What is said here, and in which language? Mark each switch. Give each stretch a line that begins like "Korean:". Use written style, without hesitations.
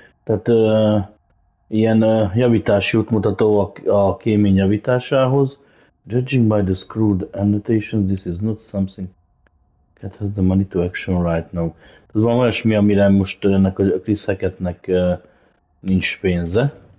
Hungarian: Tehát ilyen javítási útmutató a kémény javításához.
English: Judging by the screwed annotations, this is not something Cat has the money to action right now.
Hungarian: Ez van olyasmi, amire most ennek a Chris Hackettnek nincs pénze.